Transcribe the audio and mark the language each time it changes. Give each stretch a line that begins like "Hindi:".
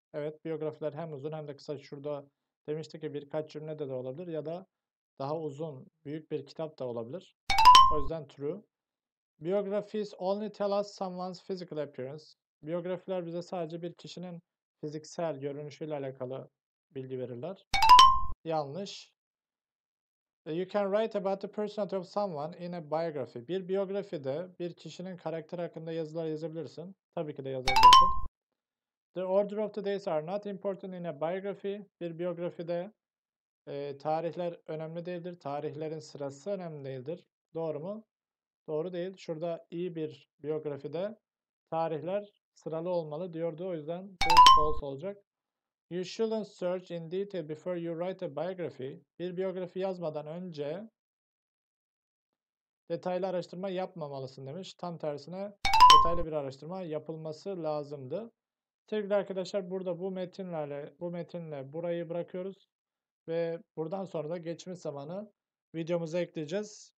Turkish: Evet, biyografiler hem uzun hem de kısa. Şurada demiştik ki birkaç cümlede de olabilir ya da daha uzun, büyük bir kitap da olabilir. O yüzden true.
English: Biographies only tell us someone's physical appearance.
Turkish: Biyografiler bize sadece bir kişinin fiziksel görünüşüyle alakalı bilgi verirler. Yanlış.
English: You can write about the personality of someone in a biography.
Turkish: Bir biyografide bir kişinin karakteri hakkında yazılar yazabilirsin. Tabii ki de yazabilirsin.
English: The order of the days are not important in a biography.
Turkish: Bir biyografide tarihler önemli değildir. Tarihlerin sırası önemli değildir. Doğru mu? Doğru değil. Şurada iyi bir biyografide tarihler sıralı olmalı diyordu. O yüzden bu false olacak.
English: You shouldn't search in detail before you write a biography.
Turkish: Bir biyografi yazmadan önce detaylı araştırma yapmamalısın demiş. Tam tersine detaylı bir araştırma yapılması lazımdı. Sevgili arkadaşlar, burada bu metinle burayı bırakıyoruz. Ve buradan sonra da geçmiş zamanı videomuza ekleyeceğiz.